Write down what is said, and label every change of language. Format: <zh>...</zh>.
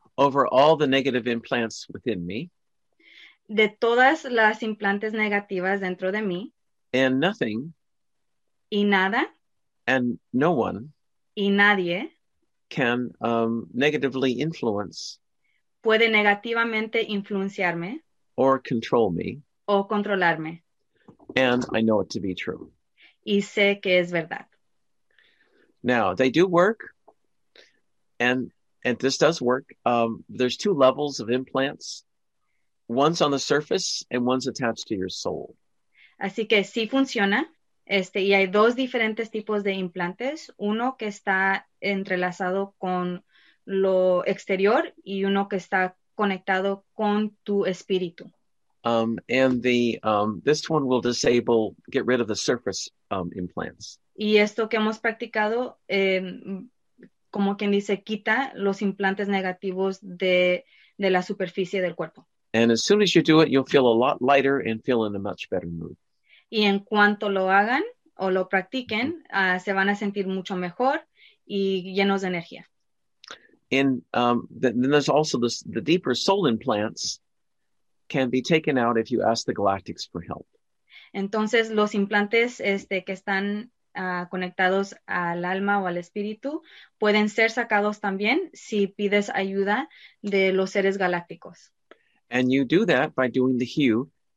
<en>Over all the negative implants within me.</en> <es>De todas las implantes negativas dentro de mí.</es> <en>And nothing.</en> <es>Y nada.</es> <en>And no one.</en> <es>Y nadie.</es> <en>Can negatively influence.</en> <es>Puede negativamente influenciarme.</es> <en>Or control me.</en> <es>O controlarme.</es> <en>And I know it to be true.</en> <es>Y sé que es verdad.</es> <en>Now, they do work. And this does work. There's two levels of implants. One's on the surface and one's attached to your soul.</en> <es>Así que sí funciona. Y hay dos diferentes tipos de implantes. Uno que está entrelazado con lo exterior y uno que está conectado con tu espíritu.</es> <en>And the this one will disable, get rid of the surface implants.</en> <es>Y esto que hemos practicado, como quien dice, quita los implantes negativos de la superficie del cuerpo.</es> <en>And as soon as you do it, you'll feel a lot lighter and feel in a much better mood.</en> <es>Y en cuanto lo hagan o lo practiquen, se van a sentir mucho mejor y llenos de energía.</es> <en>Then there's also this, the deeper soul implants can be taken out if you ask the Galactics for help.</en> <es>Entonces los implantes que están conectados al alma o al espíritu pueden ser sacados también si pides ayuda de los seres galácticos.</es> <en>And you do that by doing the hue.</en>